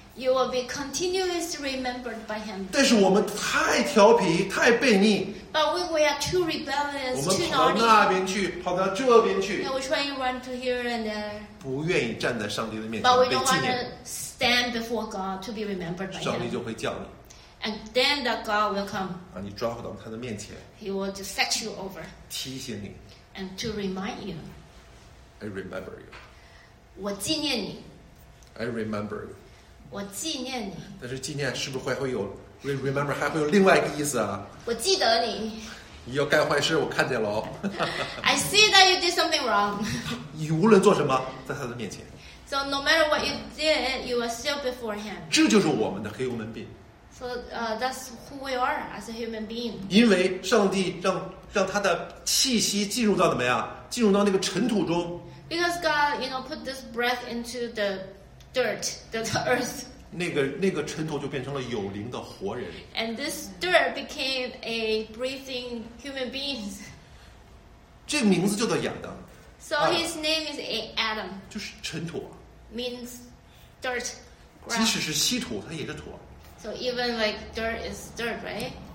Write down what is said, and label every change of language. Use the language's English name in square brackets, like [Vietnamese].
[English] You will be continuously remembered by him. [Chinese] 但是我们太调皮，太悖逆。 [English] But we are too rebellious, too naughty. [Chinese] 我们跑到那边去，跑到这边去。 [English] Yeah, we try to run to here and there. [Chinese] 不愿意站在上帝的面前被纪念。 [English] But we don't want to stand before God to be remembered by him. [Chinese] 上帝就会叫你。 [English] And then the God will come. [Chinese] 把你抓回到他的面前。 [English] He will just set you over. [Chinese] 提醒你。 [English] And to remind you. I remember you. [Chinese] 我纪念你。 [English] I remember you. [Chinese] 我纪念你，但是纪念是不是会有 remember 还会有另外一个意思啊？我记得你，你要干坏事，我看见了。 [English] I see that you did something wrong. [Chinese] 你无论做什么，在他的面前。 [English] So no matter what you did, you are still before him. [Chinese] 这就是我们的 human being. [English] So that's who we are as a human being. [Chinese] 因为上帝让他的气息进入到怎么样？进入到那个尘土中。 [English] Because God, you know, put this breath into the. Dirt, the earth. [Chinese] 那个尘土就变成了有灵的活人。 [English] And this dirt became a breathing human beings. [Chinese] 这个名字就叫亚当。 [English] So his name is Adam. [Chinese] 就是尘土。 [English] Means dirt. [Chinese] 即使是稀土，它也是土。 [English] So even like dirt is dirt, right?